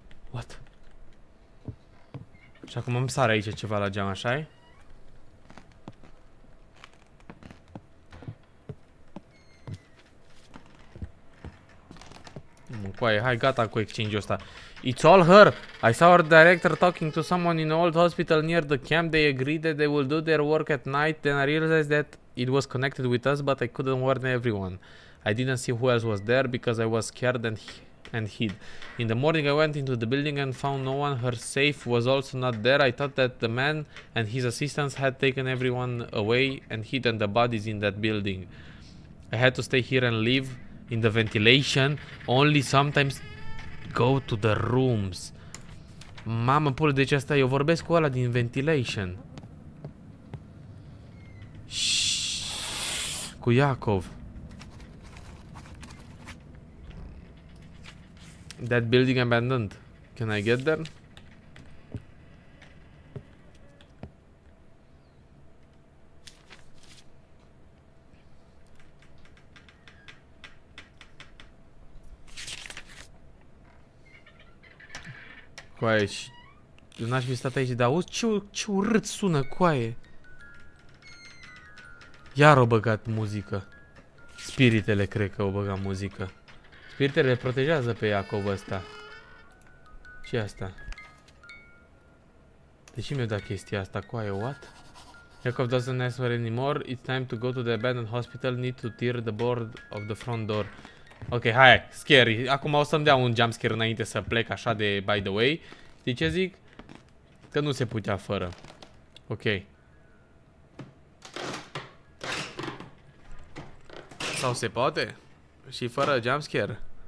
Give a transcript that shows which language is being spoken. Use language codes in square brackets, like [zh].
[en] What? [ro] Și acum îmi sare aici ceva la geam, așa e? Coaie, hai, gata cu exchange-ul ăsta. [en] It's all her. I saw our director talking to someone in an old hospital near the camp. They agreed that they will do their work at night. Then I realized that it was connected with us, but I couldn't warn everyone. I didn't see who else was there because I was scared and hid. In the morning, I went into the building and found no one. Her safe was also not there. I thought that the man and his assistants had taken everyone away and hidden the bodies in that building. I had to stay here and leave. In the ventilation, only sometimes go to the rooms. [ro] Mamă, pule, deci asta, eu vorbesc cu ăla din ventilation. Shhh, cu Iacov. [en] That building abandoned. Can I get there? [ro] Coaie, și eu n-aș fi stat aici, dar auzi ce urât sună, coaie. Iar o băgat muzică. Spiritele, cred că o băgat muzică. Spiritele protejează pe Iacob ăsta. Ce asta? De ce mi-a dat chestia asta, coaie, what? [en] Iacob doesn't answer anymore, it's time to go to the abandoned hospital, need to tear the board of the front door. [ro] Ok, hai, scary. Acum o să-mi dea un jumpscare înainte să plec așa de [en] by the way. [ro] De ce zic? Că nu se putea fără. Ok. Sau se poate? Și fără jumpscare?